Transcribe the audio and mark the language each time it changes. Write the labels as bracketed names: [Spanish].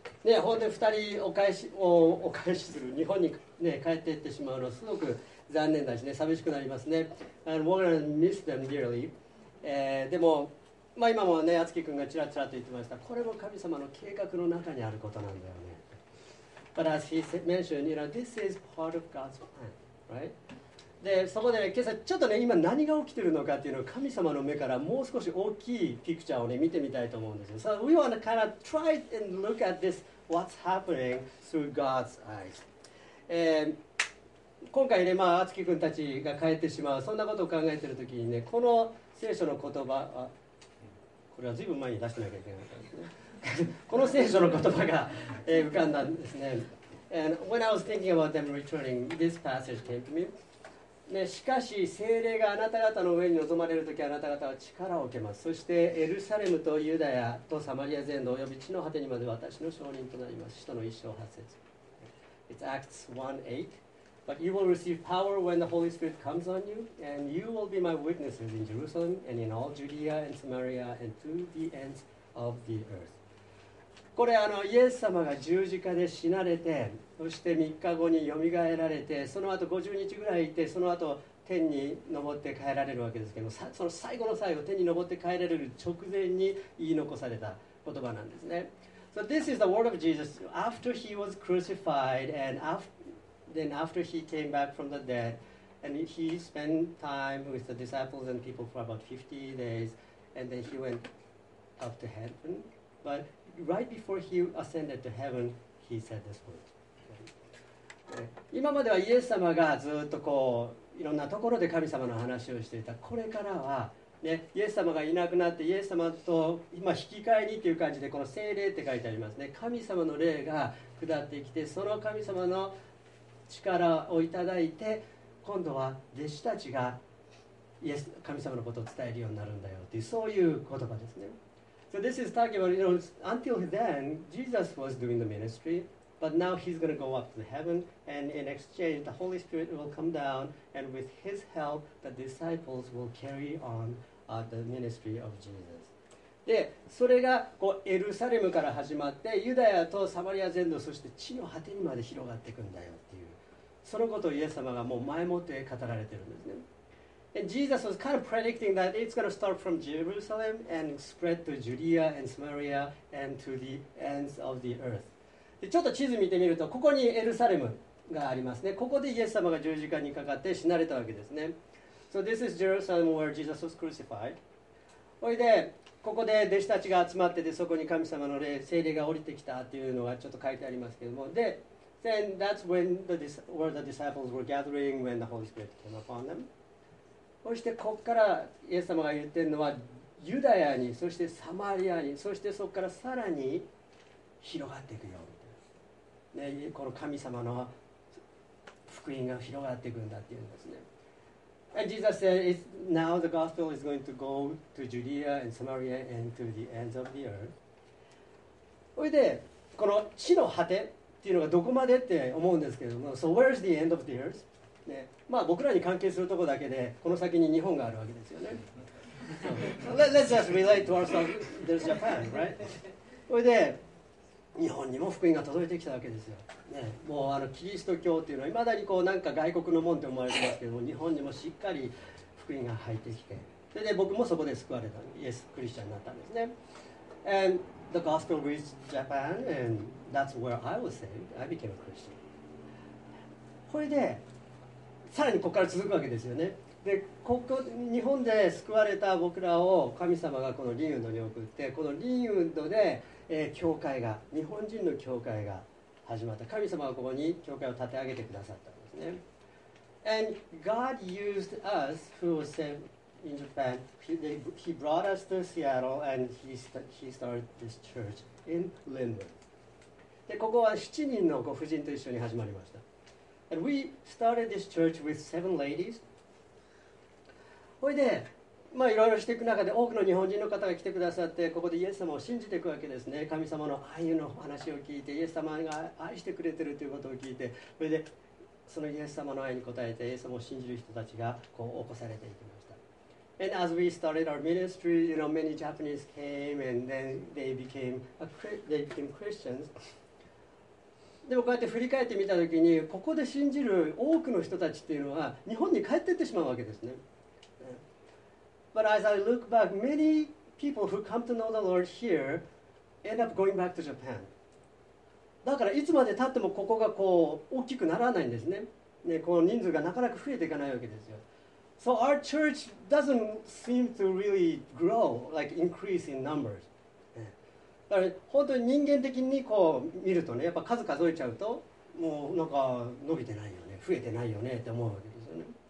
[Japanese] ね、ほんで2人お返しする日本に、ね、帰っていってしまうのすごく残念だしね、寂しくなりますね。 [English] And we're gonna miss them dearly. [Japanese] でも、まあ、今もね、敦貴くんがちらちらと言ってました。これも神様の計画の中にあることなんだよね。 [English] But as he said, mentioned, you know, this is part of God's plan, right? [Japanese] で、そこで、ね、今朝ちょっとね、今何が起きてるのかっていうのを神様の目からもう少し大きいピクチャーをね、見てみたいと思うんですよ。 [English] So we want to kind of try and look at this, what's happening through God's eyes. [Japanese] 今回ね、まあ、敦貴君たちが帰ってしまう、そんなことを考えてるときにね、この聖書の言葉、あ、これはずいぶん前に出してなきゃいけないですね。この聖書の言葉が、浮かんだんですね。 [English] And when I was thinking about them returning, this passage came to me. [Japanese] ね、しかし聖霊があなた方の上に臨まれるときあなた方は力を受けます。そしてエルサレムとユダヤとサマリア全土および地の果てにまで私の証人となります。使徒の一章八節。 [English] It's Acts 1:8 But you will receive power when the Holy Spirit comes on you, and you will be my witnesses in Jerusalem and in all Judea and Samaria and to the ends of the earth. [Japanese] これあのイエス様が十字架で死なれて、そして3日後によみがえられて、その後50日ぐらいいて、その後天に登って帰られるわけですけども、その最後の最後、天に登って帰られる直前に言い残された言葉なんですね。 [English] So this is the word of Jesus after he was crucified and after he came back from the dead and he spent time with the disciples and people for about 50 days and then he went up to heaven. But right before he ascended to heaven, he said this word. [Japanese] 今まではイエス様がずっとこういろんなところで神様の話をしていた。これからは、ね、イエス様がいなくなってイエス様と今引き換えにという感じで、この聖霊って書いてありますね。神様の霊が下ってきて、その神様の力をいただいて、今度は弟子たちがイエス神様のことを伝えるようになるんだよという、そういう言葉ですね。 [English] So this is talking about, you know, until then Jesus was doing the ministryBut now he's going to go up to heaven, and in exchange, the Holy Spirit will come down, and with his help, the disciples will carry on the ministry of Jesus. [Japanese] で、それがこうエルサレムから始まって、ユダヤとサマリア全土、そして地の果てにまで広がっていくんだよっていう、そのことをイエス様がもう前もって語られてるんですね。 [English] And Jesus was kind of predicting that it's going to start from Jerusalem and spread to Judea and Samaria and to the ends of the earth. [Japanese] でちょっと地図見てみると、ここにエルサレムがありますね。ここでイエス様が十字架にかかって死なれたわけですね。 [English] So this is Jerusalem where Jesus was crucified. [Japanese] それで、ここで弟子たちが集まってて、そこに神様の霊、聖霊が降りてきたっていうのがちょっと書いてありますけども。で、 [English] Then that's when where the disciples were gathering when the Holy Spirit came upon them. [Japanese] そして、ここからイエス様が言ってるのは、ユダヤに、そしてサマリアに、そしてそこからさらに広がっていくよ。ね、この神様の福音が広がっていくんだっていうんですね。 [English] And Jesus said, "It's now the gospel is going to go to Judea and Samaria and to the ends of the earth." [Japanese] それでこの地の果てっていうのがどこまでって思うんですけども、 [English] So where's the end of the earth?、 [Japanese] ね、まあ僕らに関係するとこだけで、この先に日本があるわけですよね。 [English] So, let's just relate to ourselves. There's Japan, right? [Japanese] それで日本にも福音が届いてきたわけですよ、ね、もうあのキリスト教というのは未だにこうなんか外国のもんって思われてますけども、日本にもしっかり福音が入ってきて、それで僕もそこで救われた、イエスクリスチャンになったんですね。 [English] And the gospel reached Japan and that's where I was saved. I became a Christian. [Japanese] これでさらにここから続くわけですよね。でここ日本で救われた僕らを神様がこのリンウンドに送って、このリンウンドで教会が、日本人の教会が始まった。神様がここに教会を立て上げてくださったんですね。 [English] And God used us who was saved in Japan. He brought us to Seattle and he started this church in Lindbergh. [Japanese] で、ここは7人のご婦人と一緒に始まりました。 [English] And we started this church with seven ladies. [Japanese] おいで。まあ、いろいろしていく中で多くの日本人の方が来てくださって、ここでイエス様を信じていくわけですね。神様の愛の話を聞いて、イエス様が愛してくれてるということを聞いて、それでそのイエス様の愛に応えてイエス様を信じる人たちがこう起こされていきました。 [English] And as we started our ministry, you know, many Japanese came and then they became Christians. [Japanese] でもこうやって振り返ってみたときに、ここで信じる多くの人たちっていうのは日本に帰っていってしまうわけですね。 [English] But as I look back, many people who come to know the Lord here end up going back to Japan. [Japanese] だからいつまで経ってもここがこう大きくならないんですね。ね、この人数がなかなか増えていかないわけですよ。 [English] So our church doesn't seem to really grow, like increase in numbers. [Japanese] だから本当に人間的にこう見るとね、やっぱ数数えちゃうと、もうなんか伸びてないよね、増えてないよねって思うわけですよね。